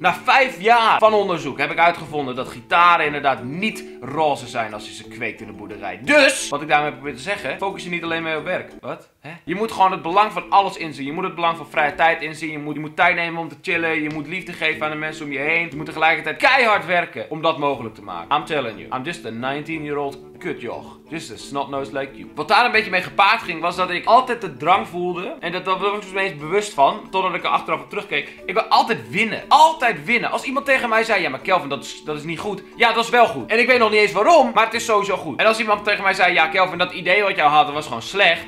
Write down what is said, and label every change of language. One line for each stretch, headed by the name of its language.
Dutch: Na 5 jaar van onderzoek. Heb ik uitgevonden dat gitaren inderdaad niet roze zijn. Als je ze kweekt in de boerderij. Dus. Wat ik daarmee probeer te zeggen. Focus je niet alleen maar op werk. Wat? Je moet gewoon het belang van alles inzien. Je moet het belang van vrije tijd inzien. Je moet tijd nemen om te chillen. Je moet liefde geven aan de mensen om je heen. Je moet tegelijkertijd keihard werken om dat mogelijk te maken.
English: I'm telling you. I'm just a 19-year-old kutjoch. Just a snotnose like you.
Dutch: Wat daar een beetje mee gepaard ging, was dat ik altijd de drang voelde. En dat was ik me eens bewust van. Totdat ik er achteraf op terugkeek. Ik wil altijd winnen. Altijd winnen. Als iemand tegen mij zei, ja maar Kelvin, dat is niet goed. Ja, dat is wel goed. En ik weet nog niet eens waarom, maar het is sowieso goed. En als iemand tegen mij zei, ja Kelvin, dat idee wat jou had, was gewoon slecht.